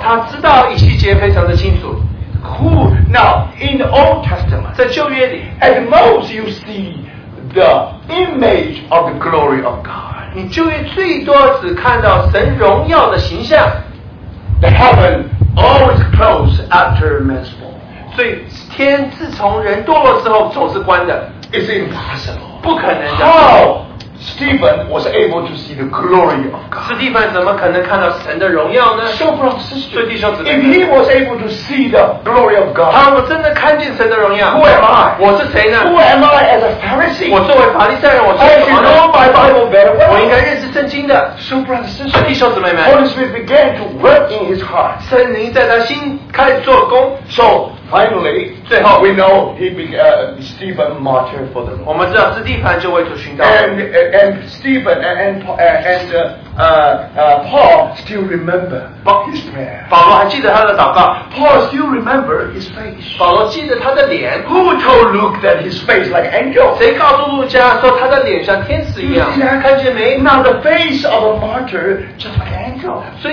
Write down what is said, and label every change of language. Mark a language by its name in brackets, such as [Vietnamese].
[Chinese] 他知道以西结非常的清楚。 [English] Who now in the Old Testament? [Chinese] 在旧约里, [English] at most you see the image of the glory of God. [Chinese] 你旧约最多只看到神荣耀的形象。 [English] The heaven always closed after man's fall. [Chinese] 所以天自从人堕落之后总是关的。 [English] It's impossible. [Chinese] 不可能的。 [English] How Stephen was able to see the glory of God? [Chinese] 斯蒂芬怎么可能看到神的荣耀呢？ [English] So brothers and sisters, [Chinese] 所以弟兄姊妹, [English] if he was able to see the glory of God, [Chinese] 他如果真的看见神的荣耀, [English] who am I? [Chinese] 我是谁呢？ [English] Who am I as a Pharisee? [Chinese] 我作为法利赛人, 我作为什么呢？ [English] I should know my Bible very well. [Chinese] 我应该认识圣经的。 [English] So brothers and sisters, [Chinese] 弟兄姊妹们, [English] Holy Spirit began to work in his heart. [Chinese] 圣灵在他心开始做工。 [English] So finally, [Chinese] 最后, [English] we know Stephen martyred for them. [Chinese] 我们知道斯蒂芬就为主殉道。 [English] And Stephen and Paul still remember his prayer. [Chinese] 保罗还记得他的祷告。 [English] Paul still remember his face. [Chinese] 保罗记得他的脸。 [English] Who told Luke that his face like angel? [Chinese] 谁告诉路加说他的脸像天使一样？你看见没？ [English] Now the face of a martyr just like angel.